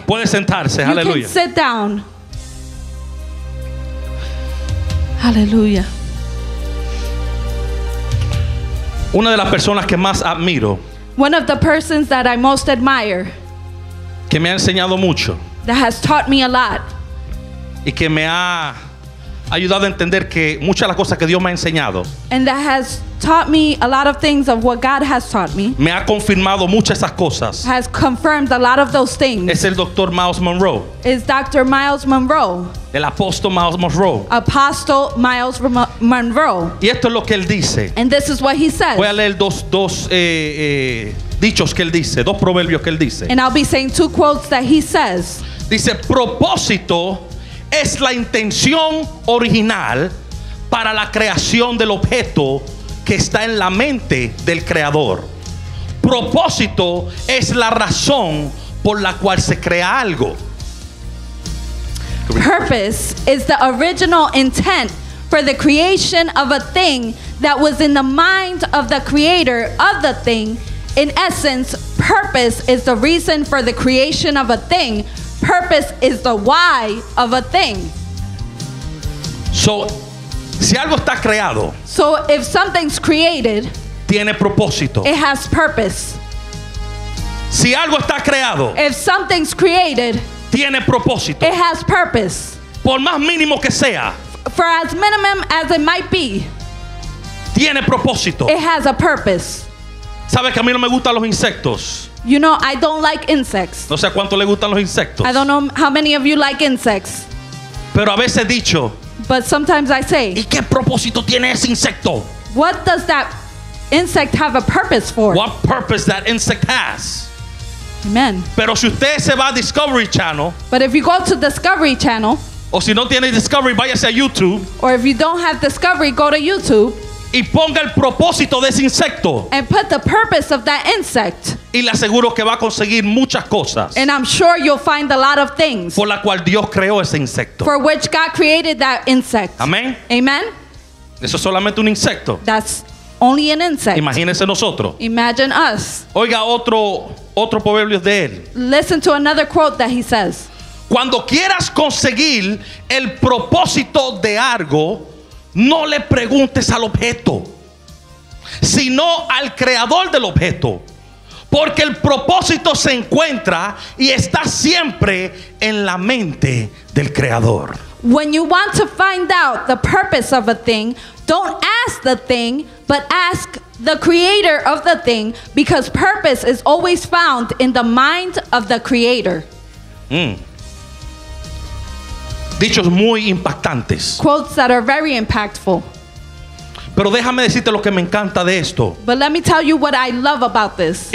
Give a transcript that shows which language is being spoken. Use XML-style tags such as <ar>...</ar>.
<es>Puede sentarse. Aleluya.</es> <en>You can sit down.</en> <es>Aleluya. Una de las personas que más admiro.</es> <en>One of the persons that I most admire.</en> <es>Que me ha enseñado mucho.</es> <en>That has taught me a lot.</en> <es>Y que me ha ayudado a entender que muchas de las cosas que Dios me ha enseñado.</es> <en>And that has taught me a lot of things of what God has taught me.</en> <es>Me ha confirmado muchas de esas cosas.</es> <en>Has confirmed a lot of those things.</en> <es>Es el Dr. Miles Monroe.</es> <en>Is Dr. Miles Monroe.</en> <es>El apóstol Miles Monroe.</es> <en>Apostle Miles Monroe.</en> <es>Y esto es lo que él dice.</es> <en>And this is what he says.</en> <es>Voy a leer dos dichos que él dice, dos proverbios que él dice.</es> <en>And I'll be saying two quotes that he says.</en> <es>Dice, propósito es la intención original para la creación del objeto que está en la mente del creador. Propósito es la razón por la cual se crea algo.</es> <en>Purpose is the original intent for the creation of a thing that was in the mind of the creator of the thing. In essence, purpose is the reason for the creation of a thing. Purpose is the why of a thing.</en> <es>So, si algo está creado,</es> <en>so if something's created,</en> <es>tiene propósito.</es> <en>It has purpose.</en> <es>Si algo está creado,</es> <en>if something's created,</en> <es>tiene propósito.</es> <en>It has purpose.</en> <es>Por más mínimo que sea.</es> <en>For as minimum as it might be.</en> <es>Tiene propósito.</es> <en>It has a purpose.</en> <es>¿Sabes que a mí no me gustan los insectos?</es> <en>You know, I don't like insects.</en> <es>No sé cuánto le gustan los insectos.</es> <en>I don't know how many of you like insects.</en> <es>Pero a veces dicho.</es> <en>But sometimes I say.</en> <es>¿Y qué propósito tiene ese insecto?</es> <en>What does that insect have a purpose for? What purpose that insect has? Amen.</en> <es>Pero si usted se va a Discovery Channel,</es> <en>but if you go to Discovery Channel,</en> <es>o si no tiene Discovery, váyase a YouTube,</es> <en>or if you don't have Discovery, go to YouTube,</en> <es>y ponga el propósito de ese insecto,</es> <en>and put the purpose of that insect,</en> <es>y le aseguro que va a conseguir muchas cosas,</es> <en>and I'm sure you'll find a lot of things,</en> <es>por la cual Dios creó ese insecto,</es> <en>for which God created that insect. Amen. Amen.</en> <es>Eso es solamente un insecto.</es> <en>That's only an insect.</en> <es>Imagínese nosotros.</es> <en>Imagine us.</en> <es>Oiga otro proverbio de él.</es> <en>Listen to another quote that he says.</en> <es>Cuando quieras conseguir el propósito de algo, no le preguntes al objeto, sino al creador del objeto, porque el propósito se encuentra y está siempre en la mente del creador.</es> <en>When you want to find out the purpose of a thing, don't ask the thing, but ask the creator of the thing, because purpose is always found in the mind of the creator.</en> <es>Dichos muy impactantes.</es> <en>Quotes that are very impactful.</en> <es>Pero déjame decirte lo que me encanta de esto.</es> <en>But let me tell you what I love about this.</en>